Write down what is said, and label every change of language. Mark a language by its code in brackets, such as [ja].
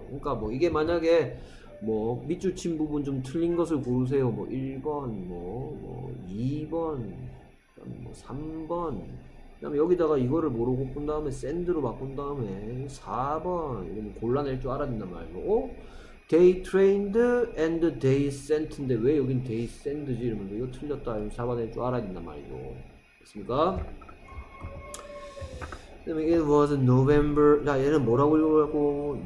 [ko] 그러니까 뭐 이게 만약에 뭐 밑줄 친 부분 좀 틀린 것을 고르세요. 뭐 1번, 뭐 2번, 뭐 3번. 그다음에 여기다가 이거를 뭐로 바꾼 다음에 샌드로 바꾼 다음에 4번 이러면 골라낼 줄 알았단 말이야. 어? [en] They trained and they sent인데 [ko] 왜 여긴 [en] they sent지? [ko] 이러면서 이거 틀렸다. 이거 잡아낼 줄 알았단 말이야. 됐습니까? 그다음에 [en] it was November. [ko] 자, 얘는 뭐라고 읽으라고?